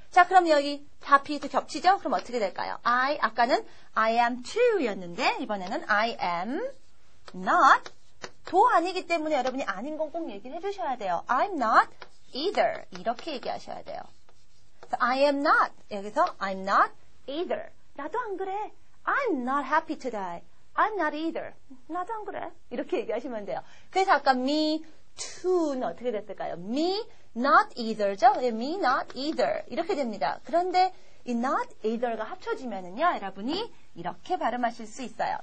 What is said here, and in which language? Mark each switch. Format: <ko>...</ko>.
<ko>자, 그럼 여기 happy도 겹치죠? 그럼 어떻게 될까요? I, 아까는</ko> <en>I am too</en> <ko>였는데 이번에는</ko> <en>I am not</en> <ko>도 아니기 때문에 여러분이 아닌 건 꼭 얘기를 해주셔야 돼요.</ko> <en>I'm not either.</en> <ko>이렇게 얘기하셔야 돼요.</ko> <en>So, I am not. 여기서 I'm not either.</en> <ko>나도 안 그래.</ko> <en>I'm not happy today. I'm not either. 나도 안 그래.</en> <ko>이렇게 얘기하시면 돼요. 그래서 아까 me too는 어떻게 됐을까요?</ko> <en>Me not either죠? 예, me not either.</en> <ko>이렇게 됩니다. 그런데 이 not either가 합쳐지면은요, 여러분이 이렇게 발음하실 수 있어요.</ko>